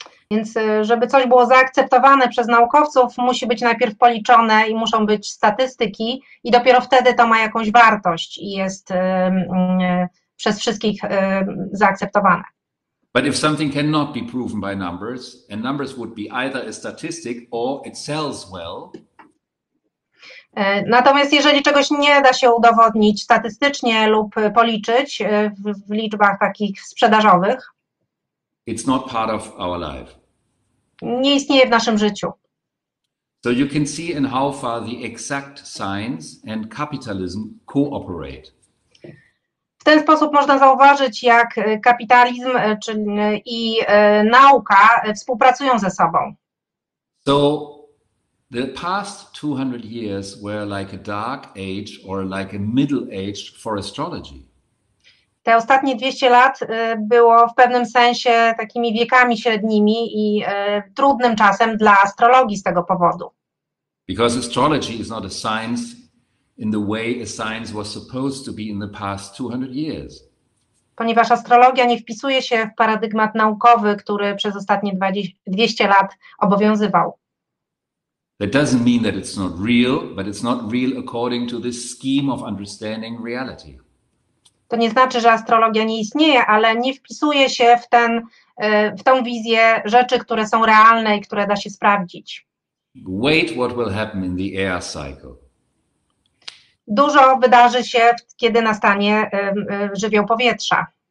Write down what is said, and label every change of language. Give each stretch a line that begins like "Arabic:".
Polish: Więc żeby coś było zaakceptowane przez naukowców, musi być najpierw policzone i muszą być statystyki i dopiero wtedy to ma jakąś wartość i jest przez wszystkich zaakceptowane.
English: But if something cannot be proven by numbers, and numbers would be either a statistic or it sells well.
Polish: Natomiast jeżeli czegoś nie da się udowodnić statystycznie lub policzyć w liczbach takich sprzedażowych,
English: it's not part of our life.
Polish: Nie istnieje w naszym życiu.
English: So you can see in how far the exact science and capitalism cooperate.
Polish: W ten sposób można zauważyć, jak kapitalizm i nauka współpracują ze sobą.
English: So the past 200 years were like a dark age or like a middle age for astrology.
Polish: te ostatnie 200 lat było w pewnym sensie takimi wiekami średnimi i trudnym czasem dla astrologii z tego powodu.
English: Because astrology is not a science in the way a science was supposed to be in the past 200 years.
Polish: Ponieważ astrologia nie wpisuje się w paradygmat naukowy, który przez ostatnie 200 lat obowiązywał.
English: That doesn't mean that it's not real, but it's not real according to this scheme of understanding reality.
Polish: To nie znaczy, że astrologia nie istnieje, ale nie wpisuje się w tą wizję rzeczy, które są realne i które da się sprawdzić.
English: Wait, what will happen in the air cycle.
Polish: Dużo wydarzy się, kiedy nastanie żywioł powietrza.